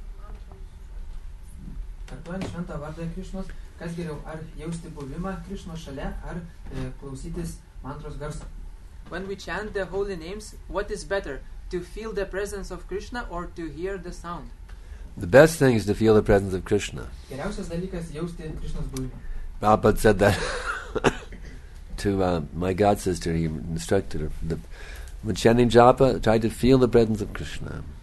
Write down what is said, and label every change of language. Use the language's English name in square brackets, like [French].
[Lithuanian] medituojant šventą vardą Krišnos, kas geriau, ar jausti buvimą Krišno šalia, ar klausytis mantros garso. [English] When we chant the holy names, what is better, to feel the presence of Krishna or to hear the sound? The best thing is to feel the presence of Krishna. [Lithuanian] Geriausias dalykas jausti Krišnos buvimą. [English] Prabhupada said that to my god sister, he instructed her, the, when chanting japa, try to feel the presence of Krishna.